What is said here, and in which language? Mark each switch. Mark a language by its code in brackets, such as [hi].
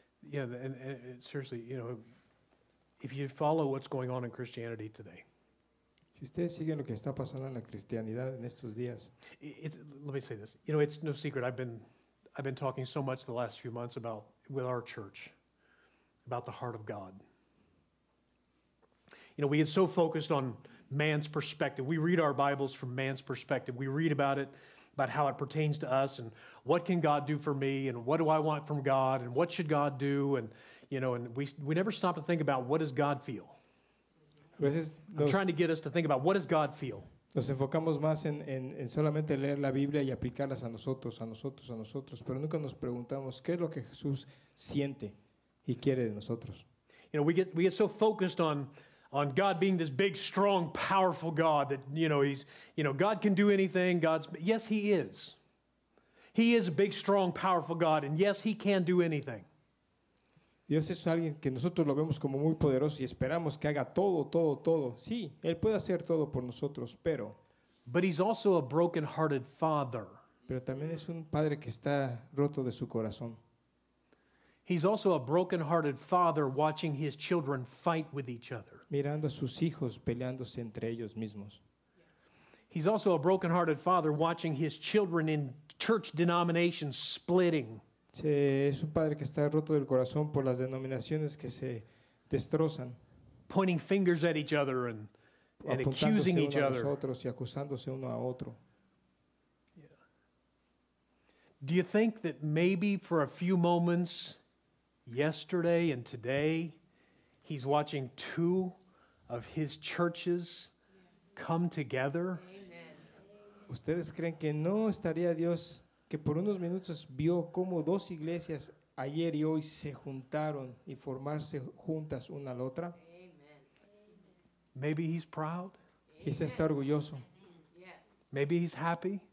[en] Yeah, and seriously, you know, if you follow what's going on in Christianity today. [es] Si ustedes siguen lo que está pasando en la cristianidad en estos días. [en] Let me say this. You know, it's no secret. I've been talking so much the last few months about, with our church, about the heart of God. You know, we get so focused on man's perspective. We read our Bibles from man's perspective. We read about it, about how it pertains to us, and what can God do for me, and what do I want from God, and what should God do, and, you know, and we never stop to think about what does God feel. I'm trying to get us to think about what does God feel. [es] Nos enfocamos más en solamente leer la Biblia y aplicarlas a nosotros, pero nunca nos preguntamos qué es lo que Jesús siente y quiere de nosotros. [en] You know, we get so focused on God being this big, strong, powerful God that, you know, he's, you know, God can do anything. God's, yes, he is. He is a big, strong, powerful God, and yes, he can do anything. [es] Dios es alguien que nosotros lo vemos como muy poderoso y esperamos que haga todo. Sí, Él puede hacer todo por nosotros, pero... [en] But he's also a broken-hearted father. [es] Pero también es un padre que está roto de su corazón. [en] He's also a broken-hearted father watching his children fight with each other. [es] Mirando a sus hijos peleándose entre ellos mismos. [en] He's also a broken-hearted father watching his children in church denominations splitting. [es] Sí, es un padre que está roto del corazón por las denominaciones que se destrozan. [en] Pointing fingers at each other and accusing each other. [es] Apuntándose unos a otros y acusándose uno a otro. [en] Do you think that maybe for a few moments yesterday and today he's watching two of his churches come together? [es] ¿Ustedes creen que no estaría Dios que por unos minutos vio cómo dos iglesias ayer y hoy se juntaron y formarse juntas una a la otra? [en] Maybe he's proud. [es] Quizá está orgulloso. [en] Maybe he's happy.